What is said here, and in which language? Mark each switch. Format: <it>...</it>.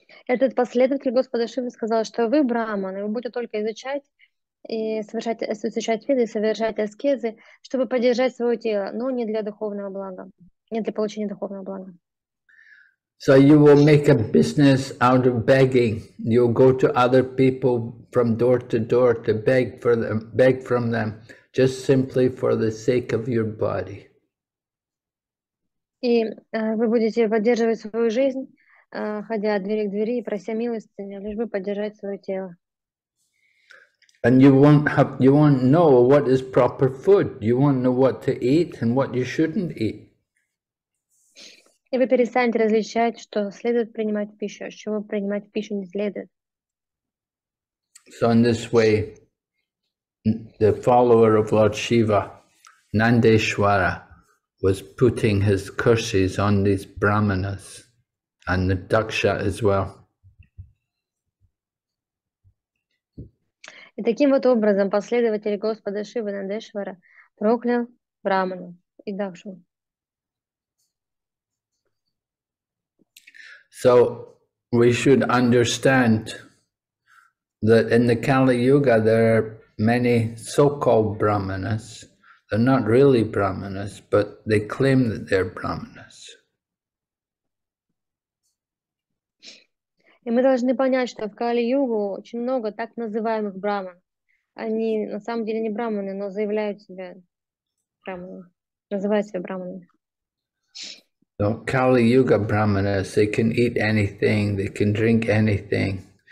<ru>Этот последователь Господа Шивы сказал, что вы брахманы, вы будете только изучать и совершать виды, совершать аскезы, чтобы поддержать свое тело, но не для духовного блага, не для получения духовного блага.</ru> <en>So you will make a business out of begging. You'll go to other people from door to door to beg for them, beg from them. Just simply for the sake of your body.</en> <ru>И вы будете поддерживать свою жизнь, ходя от двери к двери и прося милостыни, лишь бы поддержать свое тело.</ru> <en>And you won't know what is proper food. You won't know what to eat and what you shouldn't eat.</en> <ru>И вы перестанете различать, что следует принимать в пищу, а чего принимать в пищу не следует.</ru> <en>So in this way, the follower of Lord Shiva, Nandeshwara, was putting his curses on these brahmanas and the daksha as well.</en> <ru>И таким вот образом последователь Господа Шивы Нандешвара проклял брахману и дакшу.</ru> <en>So we should understand that in the Kali Yuga there are many so-called brahmanas. They're not really brahmanas, but they claim that they're brahmanas.</en> <ru>И мы должны понять, что в Кали-Югу очень много так называемых брахман. Они на самом деле не брахманы, но заявляют себя брахманами, называют себя брахманами.</ru> <en>So Kali-Yuga brahmanas, they can eat anything, they can drink anything.</en>